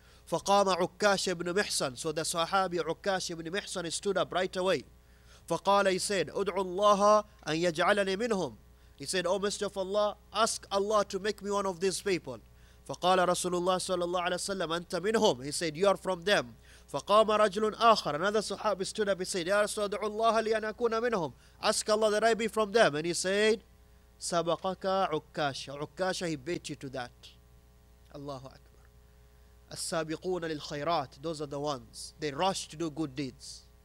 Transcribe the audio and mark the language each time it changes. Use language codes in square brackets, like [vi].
[ar] فَقَامَ [en] عُكَّاش ibn Mihsan, so the Sahabi عُكَّاش ibn Mihsan stood up right away. فَقَالَ, he said, [ar] أُدْعُوا اللَّهَ أَنْ يَجْعَلَنِي مِنْهُمْ, [en] he said, O Messenger of Allah, ask Allah to make me one of these people. [ar] فَقَالَ رَسُولُ اللَّهِ صَلَى اللَّهُ عَلَيْهِ وَسَلَّمَ, أَنْتَ مِنْهُمْ, [en] he said, you are from them. [ar] فَقَامَ رَجْلٌ آخر, [en] another Sahabi stood up, he said, [ar] يَا رَسُولَ, أُدْعُوا اللَّهَ لِيَنْ أَكُونَ مِنْهُمْ, [en] ask Allah that I be from them. And he said, [ar] سَبَقَكَ عُكَّاشَ, عُكَّاشَ, [en] he beat you to that. Allahu Akbar. [ar] السَّابِقُونَ لِلْخَيْرَاتِ, [en] those are the ones, they rush to do good deeds.